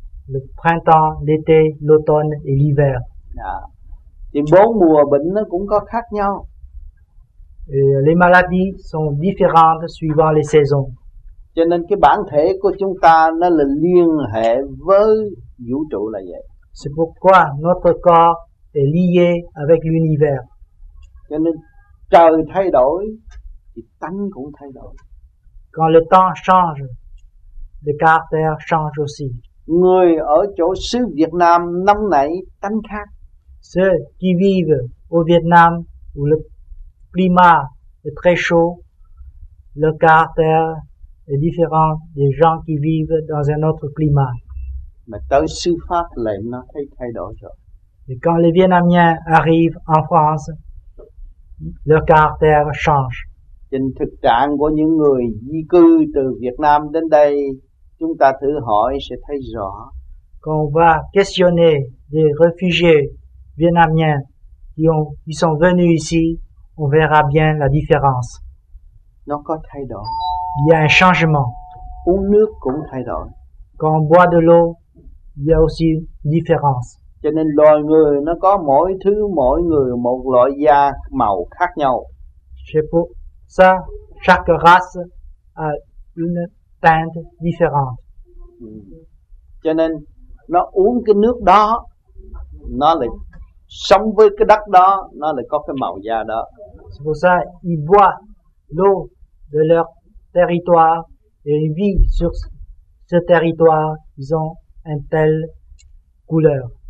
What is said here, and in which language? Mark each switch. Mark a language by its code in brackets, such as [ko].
[fr] Le printemps, l'été, l'automne et l'hiver. [vi] Thì bốn mùa bệnh nó cũng có khác nhau. [fr] Et les maladies sont différentes suivant les saisons. [vi] Cho nên cái bản thể của chúng ta nó là liên hệ với vũ trụ là vậy. [fr] C'est pourquoi notre corps est lié avec l'univers. [vi] Cho nên trời thay đổi thì tánh cũng thay đổi. [fr] Quand le temps change, le caractère change aussi. [vi] Người ở chỗ xứ Việt Nam năm nay tánh khác. [fr] Ceux qui vivent au Vietnam où le climat est très chaud, le caractère est différent des gens qui vivent dans un autre climat. [vi] Mais tới xứ Pháp lại nó thấy thay đổi rồi. [fr] Et quand les Vietnamiens arrivent en France, leur caractère change. [vi] Trình thực trạng của những người di cư từ Việt Nam đến đây, chúng ta thử hỏi sẽ thấy rõ. [fr] Quand on va questionner des réfugiés vietnamiens qui sont venus ici, on verra bien la différence. [vi] Nó có thay đổi. [fr] Il y a un changement. [vi] Uống nước cũng thay đổi. [fr] Quand on boit de l'eau, il y a aussi une différence. [vi] Cho nên loài người nó có mỗi thứ, mỗi người một loại da màu khác nhau. [fr] C'est pour ça, chaque race a une teinte différente. [vi] Cho nên nó uống cái nước đó, nó lại sống với cái đất đó, nó lại có cái màu da đó. [fr] C'est pour ça, ils boivent l'eau de leur territoire et ils vivent sur ce territoire, ils ont une telle couleur.